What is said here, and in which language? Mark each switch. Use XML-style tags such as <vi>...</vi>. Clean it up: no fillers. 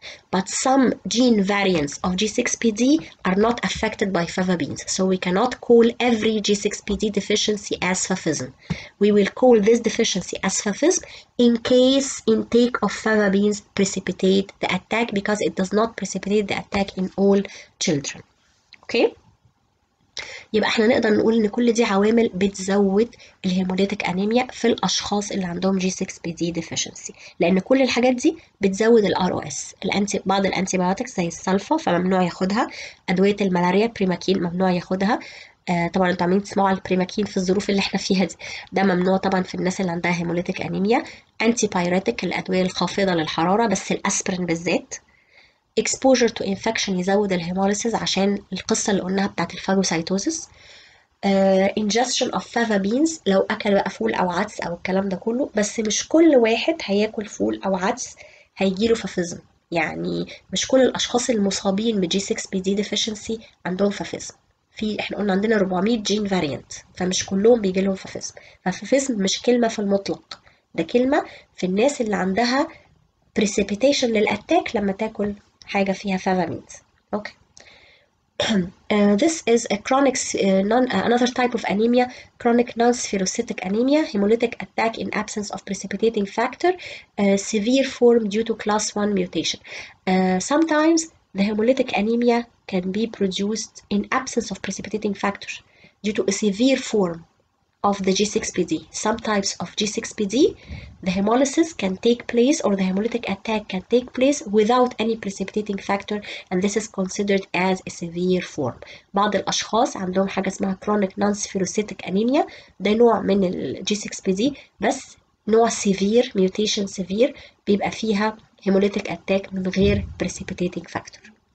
<en>But some gene variants of G6PD are not affected by fava beans. So we cannot call every G6PD deficiency as favism. We will call this deficiency as favism in case intake of fava beans precipitate the attack, because it does not precipitate the attack in all children. Okay?</en> <ar>يبقى احنا نقدر نقول ان كل دي عوامل بتزود الهيموليتك انيميا في الاشخاص اللي عندهم G6PD deficiency، لان كل الحاجات دي بتزود الـ ROS. بعض الانتي بايوتكس زي السلفا فممنوع ياخدها، ادويه الملاريا بريماكين ممنوع ياخدها. طبعا انتوا عمالين تسمعوا على البريماكين في الظروف اللي احنا فيها دي، ده ممنوع طبعا في الناس اللي عندها هيموليتك انيميا. انتي بايوتيك الادويه الخافضه للحراره، بس الاسبرين بالذات.</ar> <en>Exposure to infection</en> <ar>يزود الهيموليسيس عشان القصة اللي قلناها بتاعت الفاجوسيتوزيس.</ar> <en>Ingestion of fava beans</en> <ar>لو أكل بقى فول أو عدس أو الكلام ده كله، بس مش كل واحد هياكل فول أو عدس هيجيله فافيزم، يعني مش كل الأشخاص المصابين بـ G6PD deficiency عندهم فافيزم. في احنا قلنا عندنا 400 جين فاريانت، فمش كلهم بيجيلهم فافيزم. فافيزم مش كلمة في المطلق، ده كلمة في الناس اللي عندها precipitation للأتاك لما تاكل حاجة فيها fava beans.</ar> <en>Okay. This is a chronic another type of anemia, chronic non-spherocytic anemia, hemolytic attack in absence of precipitating factor, severe form due to class 1 mutation. Sometimes the hemolytic anemia can be produced in absence of precipitating factor due to a severe form of the G6PD. Some types of G6PD, the hemolysis can take place, or the hemolytic attack can take place without any precipitating factor, and this is considered as a severe form.</en> <ar>بعض الأشخاص عندهم حاجة اسمها</ar> <en>chronic non-spherocytic anemia،</en> <ar>ده نوع من ال G6PD، بس نوع severe, mutation severe، بيبقى فيها</ar> <en>hemolytic attack</en> <ar>من غير</ar> <en>precipitating factor.</en>